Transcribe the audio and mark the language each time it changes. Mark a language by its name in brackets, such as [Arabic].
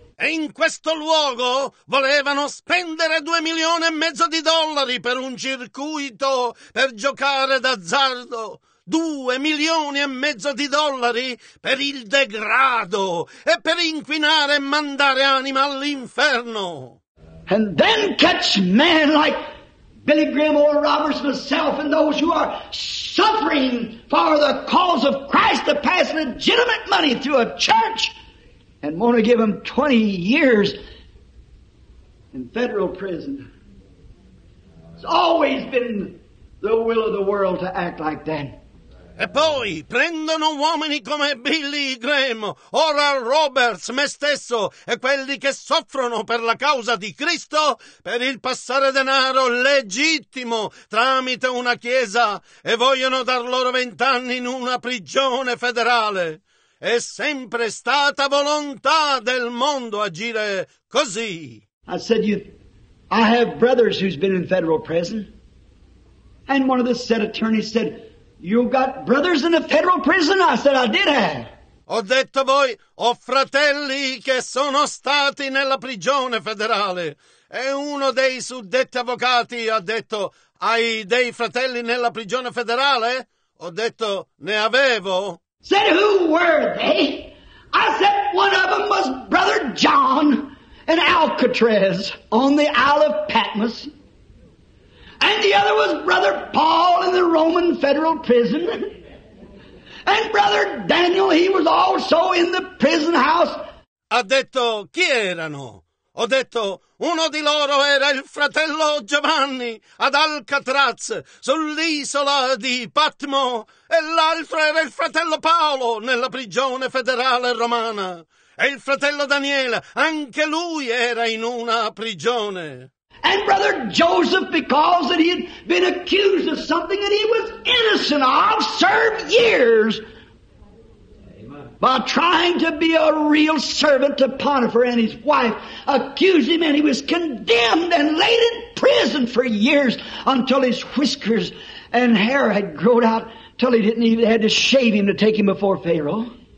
[Italian] E in questo luogo volevano spendere [English] $2.5 million [Italian] per un circuito per giocare d'azzardo. [English] $2.5 million [Italian] per il degrado e per inquinare e mandare anima all'inferno. [English] And then catch men like Billy Graham or Roberts, myself, and those who are suffering for the cause of Christ to pass legitimate money through a church. And want to give them 20 years in federal prison. It's always been the will of the world to act like that. [Italian] E poi prendono uomini come Billy Graham, ora Roberts, me stesso, e quelli che soffrono per la causa di Cristo, per il passare denaro legittimo tramite una chiesa, e vogliono dar loro 20 anni in una prigione federale. è sempre stata volontà del mondo agire così. [English] I said, I have brothers who's been in federal prison. And one of the said attorneys said, you got brothers in a federal prison? I said, I did have. [Italian] Ho detto voi, ho fratelli che sono stati nella prigione federale. E uno dei suddetti avvocati ha detto, hai dei fratelli nella prigione federale? Ho detto, ne avevo. [English] Said, who were they? I said, one of them was Brother John in Alcatraz on the Isle of Patmos. And the other was Brother Paul in the Roman federal prison. And Brother Daniel, he was also in the prison house. [Italian] Ha detto, chi erano? Ho detto, uno di loro era il fratello Giovanni ad Alcatraz, sull'isola di Patmo, e l'altro era il fratello Paolo nella prigione federale romana. E il fratello Daniele, anche lui era in una prigione. [English] And Brother Joseph, because that he had been accused of something that he was innocent of, served years. By trying to be a real servant to Potiphar, and his wife accused him, and he was condemned and laid in prison for years until his whiskers and hair had grown out till he didn't even had to shave him to take him before Pharaoh.